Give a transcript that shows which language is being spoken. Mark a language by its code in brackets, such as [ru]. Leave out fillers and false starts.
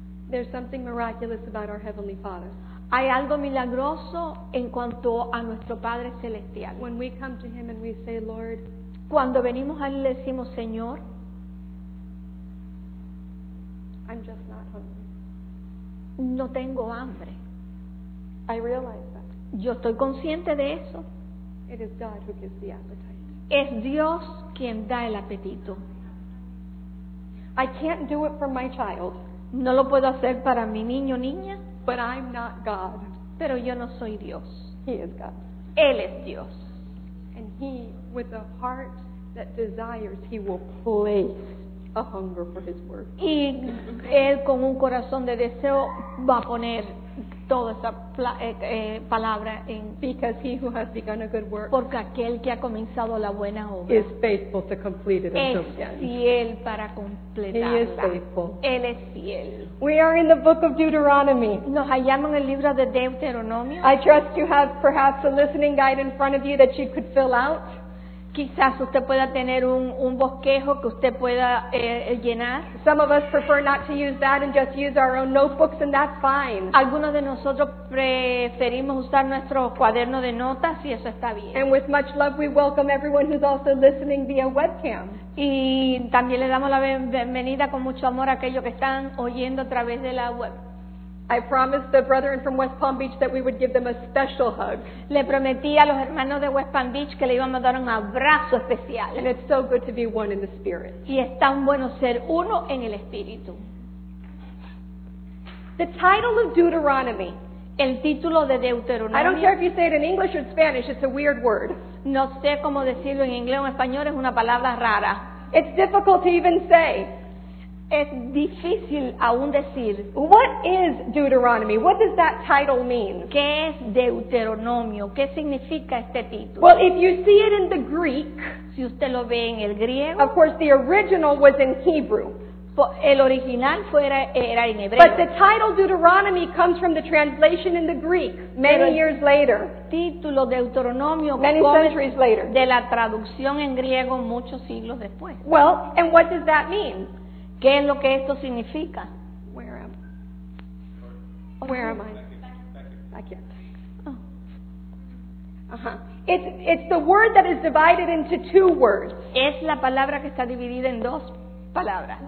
[en] There's something miraculous about our Heavenly Father. [es] Hay algo milagroso en cuanto a nuestro Padre Celestial. [en] When we come to Him and we say, "Lord," [es] cuando venimos a Él le decimos, "Señor, [en] I'm just not hungry. [es] No tengo hambre." [en] I realize that. [es] Yo estoy consciente de eso. [en] It is God who gives the appetite. [es] Es Dios quien da el apetito. [en] I can't do it for my child. [es] No lo puedo hacer para mi niño o niña. [en] But I'm not God. [es] Pero yo no soy Dios. [en] He is God. [es] Él es Dios. [en] And He, with a heart that desires, He will place a hunger for His word. [es] Y él con un corazón de deseo va a poner toda esa palabra en. [en] Because He who has begun a good work. [es] Porque aquel que ha comenzado la buena obra. [en] Is faithful to complete it until the end. [es] Es fiel para completarla. [en] He is faithful. [es] Él es fiel. [en] We are in the book of Deuteronomy. [es] Nos hallamos en el libro de Deuteronomio. [en] I trust you have perhaps a listening guide in front of you that you could fill out. [es] Quizás usted pueda tener un bosquejo que usted pueda llenar. [en] Some of us prefer not to use that and just use our own notebooks, and that's fine. [es] Algunos de nosotros preferimos usar nuestro cuaderno de notas y eso está bien. [en] And with much love, we welcome everyone who's also listening via webcam. [es] Y también le damos la bienvenida con mucho amor a aquellos que están oyendo a través de la web. [en] I promised the brethren from West Palm Beach that we would give them a special hug. [es] Le prometí a los hermanos de West Palm Beach que le íbamos a dar un abrazo especial. [en] And it's so good to be one in the Spirit. [es] Y es tan bueno ser uno en el Espíritu. [en] The title of Deuteronomy. [es] El título de Deuteronomio. [en] I don't care if you say it in English or Spanish, it's a weird word. [es] No sé cómo decirlo en inglés o en español, es una palabra rara. [en] It's difficult to even say. [es] Es difícil aún decir. [en] What is Deuteronomy? What does that title mean? [es] ¿Qué es Deuteronomio? ¿Qué significa este título? [en] Well, if you see it in the Greek, [es] si usted lo ve en el griego, [en] of course the original was in Hebrew. [es] El original fuera era en hebreo. [en] But the title Deuteronomy comes from the translation in the Greek many years later. [es] Título Deuteronomio [en] many centuries later. [es] De la traducción en griego muchos siglos después. [en] Well, and what does that mean? [es] ¿Qué es lo que esto significa? [en] Where am I? I can't. It's the word that is divided into two words. [es] Es la palabra que está dividida en dos palabras.